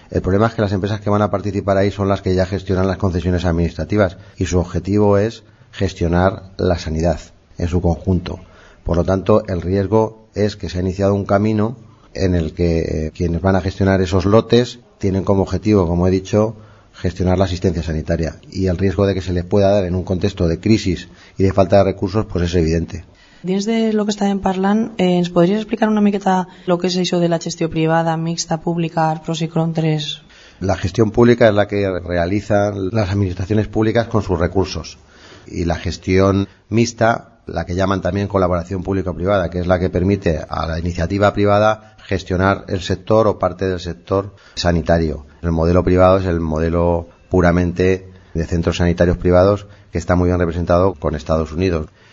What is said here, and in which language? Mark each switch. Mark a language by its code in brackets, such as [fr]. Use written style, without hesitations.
[es] El problema es que las empresas que van a participar ahí son las que ya gestionan las concesiones administrativas y su objetivo es gestionar la sanidad en su conjunto. Por lo tanto, el riesgo es que se ha iniciado un camino en el que quienes van a gestionar esos lotes tienen como objetivo, como he dicho, gestionar la asistencia sanitaria. Y el riesgo de que se les pueda dar en un contexto de crisis y de falta de recursos, pues es evidente. [ca] Dins de lo que estàvem parlant, ens podries explicar una miqueta lo que és això de la gestió privada, mixta, pública, pros i contres? [es] La gestión pública es la que realizan las administraciones públicas con sus recursos. Y la gestión mixta, la que llaman también colaboración público-privada, que es la que permite a la iniciativa privada gestionar el sector o parte del sector sanitario. El modelo privado es el modelo puramente de centros sanitarios privados que está muy bien representado con Estados Unidos.